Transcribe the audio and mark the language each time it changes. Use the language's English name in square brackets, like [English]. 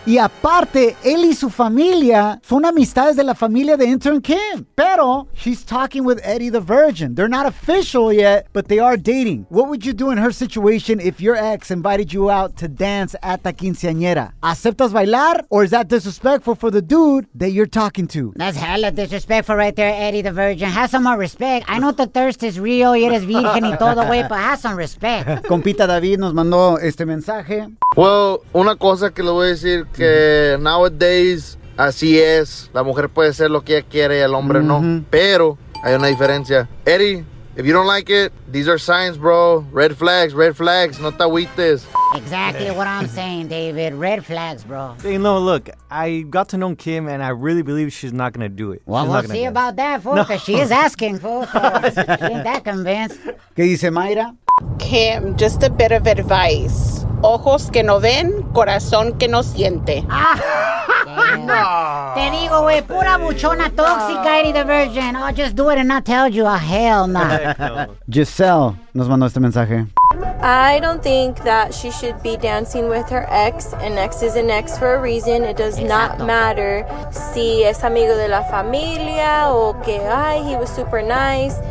[Spanish] Y aparte, él y su familia son amistades de la familia de intern Kim. [English] Pero she's talking with Eddie the Virgin. They're not official yet, but they are dating. What would you do in her situation if your ex invited you out to dance at the quinceañera? [Spanish] ¿Aceptas bailar? [English] Or is that disrespectful for the dude that you're talking to? That's hella disrespectful right there, Eddie the Virgin. Have some more respect. I know the thirst is real, [Spanish] y eres virgen y todo, güey, [English] but have some respect. [Spanish] Compita David nos mandó este mensaje. Well, una cosa que le voy a decir, que nowadays, así es. La mujer puede ser lo que ella quiere y el hombre no. Pero hay una diferencia. [English] Eddie, if you don't like it, these are signs, bro. Red flags, red flags. [Spanish] No te agüites. [English] Exactly what I'm saying, David. Red flags, bro. Hey, no, look, I got to know Kim, and I really believe she's not going to do it. Well, she's we'll see about that, fool, because she is asking, fool. So she ain't that convinced. [Spanish] ¿Qué dice Mayra? [English] Kim, just a bit of advice. [Spanish] Ojos que no ven, corazón que no siente. No. Te digo, güey, pura buchona tóxica, Eddie the Virgin. [English] I'll just do it and not tell you. Oh, hell no. [Spanish] Giselle nos mandó este mensaje. [English] I don't think that she should be dancing with her ex. An ex is an ex for a reason. It does not matter [Spanish] si es amigo de la familia o que, ay, [English] he was super nice.